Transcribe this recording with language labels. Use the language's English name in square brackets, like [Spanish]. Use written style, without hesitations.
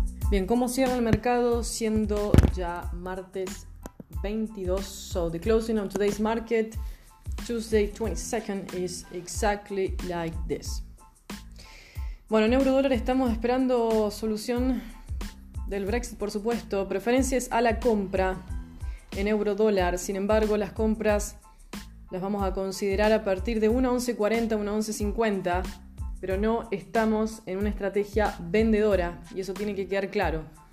[Spanish] Bien, ¿cómo cierra el mercado siendo ya martes 22? [English] So the closing of today's market, Tuesday 22nd, is exactly like this. [Spanish] Bueno, en eurodólar estamos esperando solución del Brexit, por supuesto. Preferencias a la compra en eurodólar. Sin embargo, las compras las vamos a considerar a partir de 1.1140, 1.1150. Pero no estamos en una estrategia vendedora y eso tiene que quedar claro.